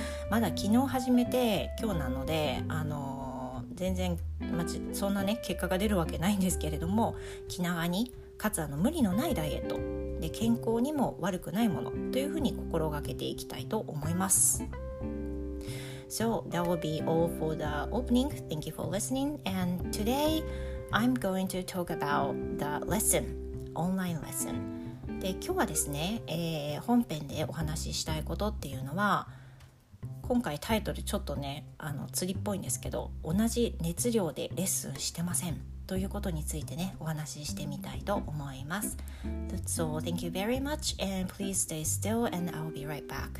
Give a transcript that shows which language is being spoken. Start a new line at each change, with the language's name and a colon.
Japanese: まだ昨日始めて今日なので、全然そんなね結果が出るわけないんですけれども、気長にかつ無理のないダイエットで健康にも悪くないものというふうに心がけていきたいと思います。
English: So that will be all for the opening. Thank you for listening. And today, I'm going to talk about the lesson, online lesson.
Japanese: で、今日はですね、本編でお話ししたいことっていうのは、今回タイトルちょっとね、釣りっぽいんですけど、同じ熱量でレッスンしてませんということについてね、お話ししてみたいと思います。
English: So, thank you very much, and please stay still, and I'll be right back.